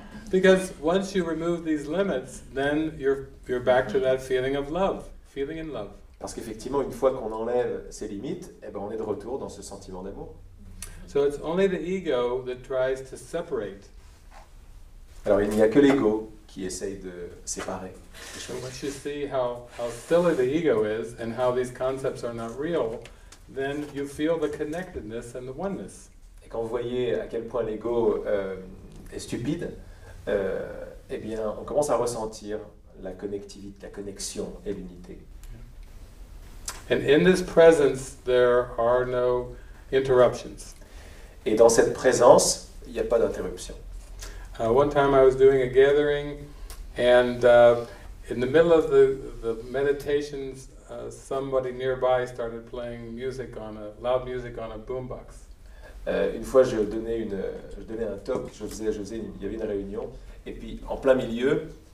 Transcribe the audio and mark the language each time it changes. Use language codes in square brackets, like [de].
[en] Because once you remove these limits, then you're back to that feeling of love, feeling in love. [fr] Parce qu'effectivement, une fois qu'on enlève ces limites, eh ben on est de retour dans ce sentiment d'amour. [en] So it's only the ego that tries to separate. [fr] Alors il n'y a que l'ego qui essaye de séparer. [en] So once you see how silly the ego is and how these concepts are not real, then you feel the connectedness and the oneness. [fr] Et quand vous voyez à quel point l'ego est stupide. Eh bien, on commence à ressentir la connectivité, la connexion et l'unité. [en] And in this presence, there are no interruptions. [fr] Et dans cette présence, il n'y a pas d'interruption. [en] One time I was doing a gathering, and in the middle of the meditations, somebody nearby started playing music on a loud music on a boombox. [fr] Une fois, je donnais un talk, je faisais, il y avait une réunion, et puis en plein milieu,